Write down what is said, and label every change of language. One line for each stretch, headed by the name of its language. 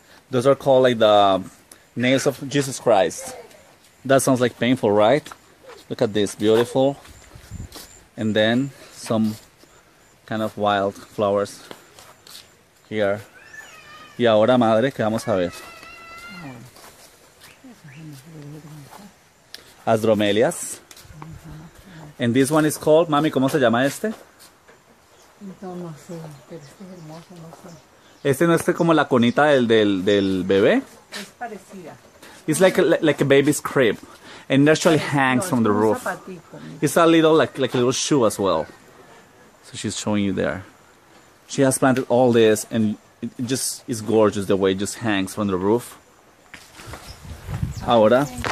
English: Those are called like the nails of Jesus Christ. That sounds like painful, right? Look at this, beautiful. And then some kind of wild flowers here.
Spanish: Y ahora, madre, ¿qué vamos a ver? As dromelias.
English: And this one is called,
Spanish: mami, ¿cómo se llama este? No, no sé, pero este es hermoso, no sé. Este no es como la cunita del bebé. Es parecida.
English: It's like a baby's crib. And naturally hangs from the roof. It's a little like a little shoe as well. So she's showing you there. She has planted all this and it just is gorgeous the way it just hangs from the roof.
Spanish: Ahora.